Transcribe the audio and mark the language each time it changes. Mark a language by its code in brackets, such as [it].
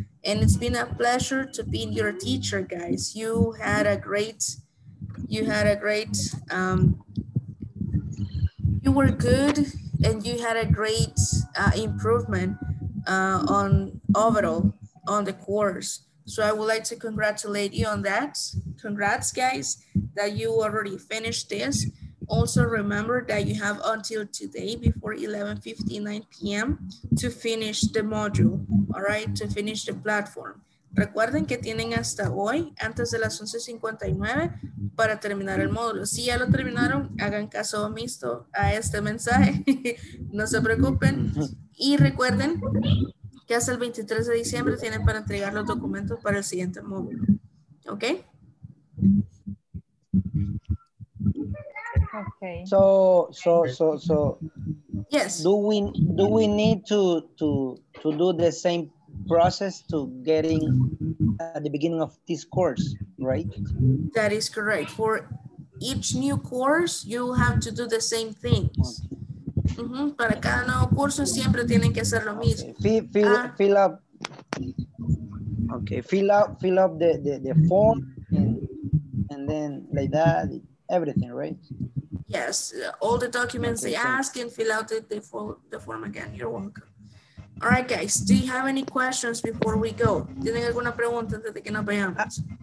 [en] And it's been a pleasure to be your teacher, guys. You were good and you had a great improvement on overall on the course. So I would like to congratulate you on that. Congrats, guys, that you already finished this. Also remember that you have until today before 11:59 p.m. to finish the module, all right? To finish the platform. [es] Recuerden que tienen hasta hoy, antes de las 11:59, para terminar el módulo. Si ya lo terminaron, hagan caso omiso a este mensaje. No se preocupen. Y recuerden que hasta el 23 de diciembre tienen para entregar los documentos para el siguiente módulo. ¿Ok? [en] Okay. So. Yes. Do we need to do the same process to getting at the beginning of this course, right? That is correct. For each new course, you have to do the same things. Mm-hmm. [es] Para cada nuevo curso siempre tienen que hacer lo mismo. [en] Okay. Fill up. Okay. Fill up the form and then like that. Everything, right? Yes, all the documents okay, they ask and fill out the form again. You're welcome. All right, guys, do you have any questions before we go? [es] ¿Tienen alguna pregunta antes de que nos vayamos?